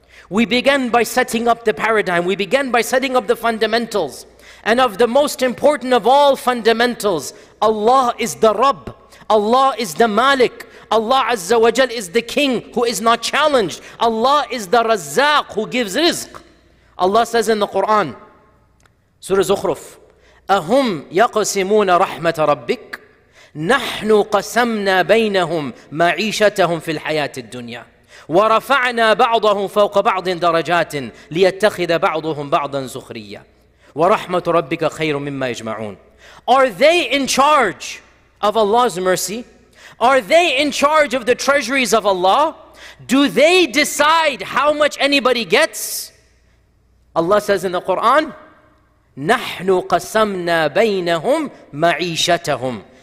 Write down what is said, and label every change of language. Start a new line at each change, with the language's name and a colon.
English: We began by setting up the paradigm. We began by setting up the fundamentals. And of the most important of all fundamentals, Allah is the Rabb. Allah is the Malik. Allah Azza wa Jal is the King who is not challenged. Allah is the Razzaq who gives rizq. Allah says in the Quran, Surah Zukhruf,
Arabic: أَهُمْ يَقْسِمُونَ رَحْمَةَ رَبِّكَ نَحْنُ قَسَمْنَا بَيْنَهُمْ مَعِيشَتَهُمْ فِي الْحَيَاةِ الدُّنْيَا وَرَفَعْنَا بَعْضَهُمْ فَوْقَ بَعْضٍ دَرَجَاتٍ لِيَتَّخِذَ بَعْضُهُمْ بَعْضًا زُخْرِيًّا وَرَحْمَةُ رَبِّكَ خَيْرٌ مِمَّا يَجْمَعُونَ.
English: Are they in charge of Allah's mercy? Are they in charge of the treasuries of Allah? Do they decide how much anybody gets? Allah says in the Quran,
Arabic: نَحْنُ قَسَمْنَا بَيْنَهُمْ مَعِيشَتَهُمْ.